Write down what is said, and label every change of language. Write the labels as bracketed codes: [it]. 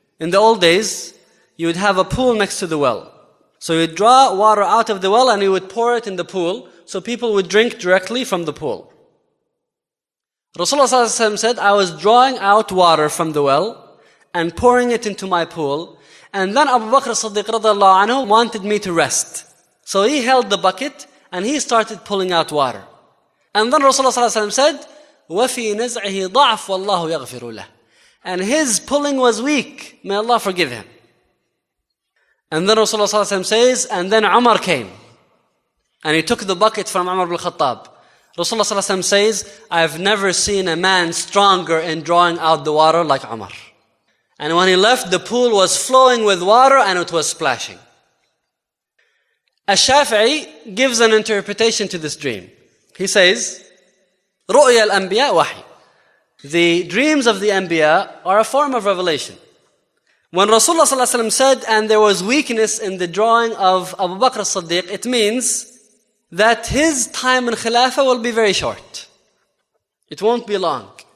[en] In the old days, you would have a pool next to the well. So you'd draw water out of the well and you would pour it in the pool so people would drink directly from the pool. Rasulullah صلى الله عليه وسلم said, I was drawing out water from the well and pouring it into my pool, and then Abu Bakr as-Siddiq radiallahu anhu wanted me to rest. So he held the bucket and he started pulling out water. And then Rasulullah صلى الله عليه وسلم said, [ar] وَفِي نَزْعِهِ ضَعْفُ وَاللَّهُ يَغْفِرُ لَهُ. [en] And his pulling was weak, may Allah forgive him. And then Rasulullah صلى الله عليه وسلم says, and then Umar came and he took the bucket from Umar ibn al-Khattab. Rasulullah صلى الله عليه وسلم says, I've never seen a man stronger in drawing out the water like Umar. And when he left, the pool was flowing with water and it was splashing. Al-Shafi'i gives an interpretation to this dream. He says, [ar] رُؤْيَا الْأَنْبِيَاء وَحِي. [en] The dreams of the Anbiya are a form of revelation. When Rasulullah صلى الله عليه وسلم said, and there was weakness in the drawing of Abu Bakr as-Siddiq, it means that his time in Khilafah will be very short. It won't be long.